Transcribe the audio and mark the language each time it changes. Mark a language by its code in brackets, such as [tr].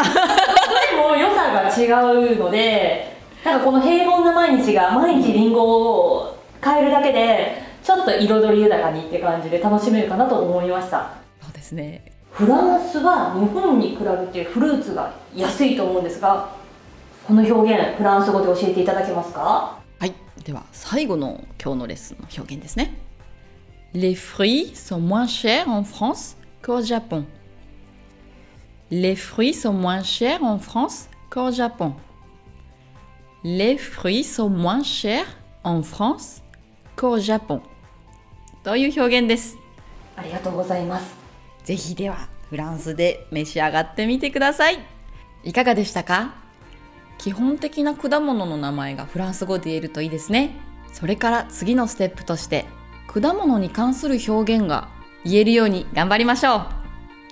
[ja] でも良さが違うので、なんかこの平凡な毎日が毎日リンゴを変えるだけでちょっと彩り豊かにって感じで楽しめるかなと思いました。そうですね、フランスは日本に比べてフルーツが安いと思うんですが、この表現フランス語で教えていただけますか？はい、では最後の今日のレッスンの表現ですね。 [fr] Les fruits sont moins chers en France qu'au Japon. Les fruits sont moins chers en France qu'au Japon. Les fruits sont moins chers en France qu'au Japon. [ja] という表現です。ありがとうございます。ぜひではフランスで召し上がってみてください。いかがでしたか？基本的な果物の名前がフランス語で言えるといいですね。それから次のステップとして果物に関する表現が言えるように頑張りましょう。